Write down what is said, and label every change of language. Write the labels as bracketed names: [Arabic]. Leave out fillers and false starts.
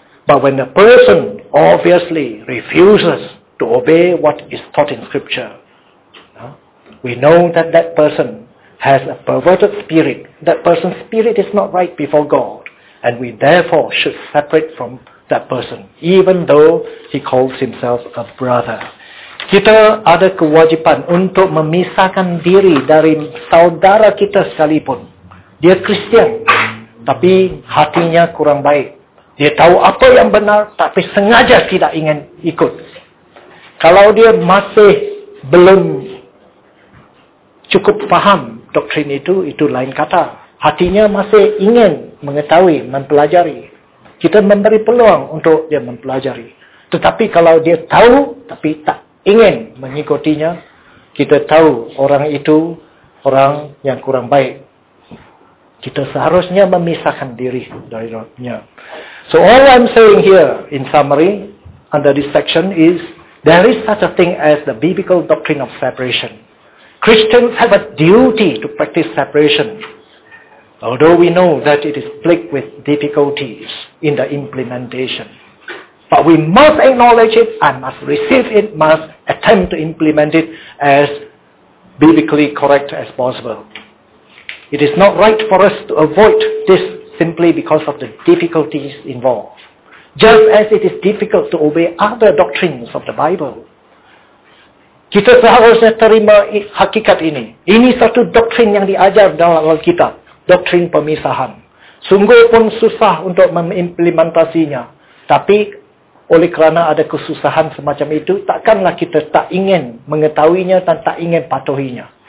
[English] But when the person obviously refuses to obey what is taught in scripture, we know that that person has a perverted spirit. That person's spirit is not right before God. And we therefore should separate from that person, even though he calls himself a brother. [Malay] Kita ada kewajipan untuk memisahkan diri dari saudara kita sekalipun. Dia Kristian, tapi hatinya kurang baik. Dia tahu apa yang benar, tapi sengaja tidak ingin ikut. Kalau dia masih belum cukup faham doktrin itu lain kata. Hatinya masih ingin mengetahui, mempelajari. Kita memberi peluang untuk dia mempelajari. Tetapi kalau dia tahu, tapi tak ingin mengikutinya, kita tahu orang itu orang yang kurang baik. Kita seharusnya memisahkan diri dari dia. [English] So all I'm saying here in summary under this section is there is such a thing as the biblical doctrine of separation. Christians have a duty to practice separation, although we know that it is plagued with difficulties in the implementation. But we must acknowledge it and must receive it, must attempt to implement it as biblically correct as possible. It is not right for us to avoid this simply because of the difficulties involved. Just as it is difficult to obey other doctrines of the Bible. [Malay] Kita seharusnya terima hakikat ini. Ini satu doktrin yang diajar dalam Alkitab. Doktrin pemisahan. Sungguh pun susah untuk mengimplementasinya. Tapi oleh kerana ada kesusahan semacam itu, takkanlah kita tak ingin mengetahuinya dan tak ingin patuhinya.